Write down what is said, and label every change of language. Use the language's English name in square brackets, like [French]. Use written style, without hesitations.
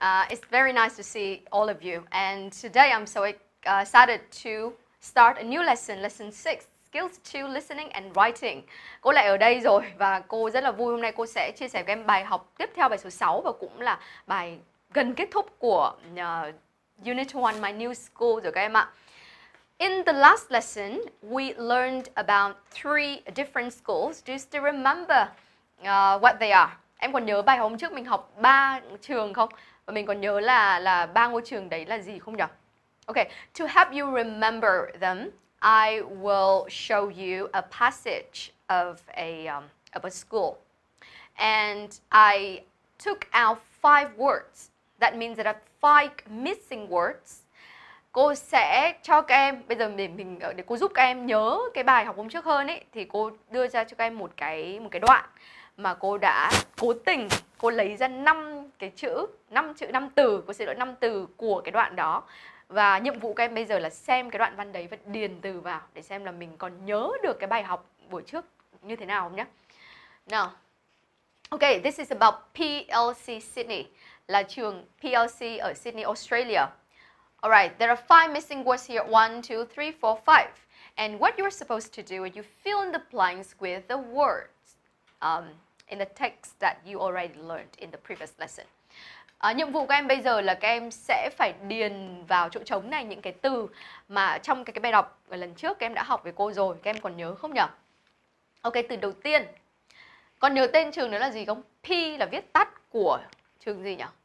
[English] It's very nice to see all of you. And today I'm so excited to start a new lesson, lesson 6, skills 2, listening and writing. [Vietnamese] Cô lại ở đây rồi và cô rất là vui hôm nay cô sẽ chia sẻ với em bài học tiếp theo, bài số 6 và cũng là bài gần kết thúc của Unit 1, My New School rồi các em ạ. [English] In the last lesson, we learned about 3 different schools. Do you still remember what they are? [Vietnamese] Em còn nhớ bài hôm trước mình học 3 trường không? Và mình còn nhớ là 3 ngôi trường đấy là gì không nhỉ? [English] Okay, to help you remember them, I will show you a passage of a school. And I took out 5 words. That means that I have 5 missing words. [Vietnamese] Cô sẽ cho các em, bây giờ để cô giúp các em nhớ cái bài học hôm trước hơn ấy, thì cô đưa ra cho các em một cái đoạn mà cô đã cố tình, cô lấy ra 5 cái chữ, 5 chữ, 5 từ, cô xin lỗi, 5 từ của cái đoạn đó. Và nhiệm vụ các em bây giờ là xem cái đoạn văn đấy và điền từ vào để xem là mình còn nhớ được cái bài học buổi trước như thế nào không nhé. [English] Now, okay, this is about PLC Sydney, [Vietnamese] là trường PLC ở Sydney, Australia. [English] Alright, there are 5 missing words here, 1, 2, 3, 4, 5. And what you're supposed to do is you fill in the blanks with the words in the text that you already learned in the previous lesson. [Vietnamese] Nhiệm vụ của em bây giờ là các em sẽ phải điền vào chỗ trống này những cái từ mà trong cái bài đọc lần trước các em đã học với cô rồi, các em còn nhớ không nhỉ? Ok, từ đầu tiên, còn nhớ tên trường đó là gì không? P là viết tắt của trường gì nhỉ?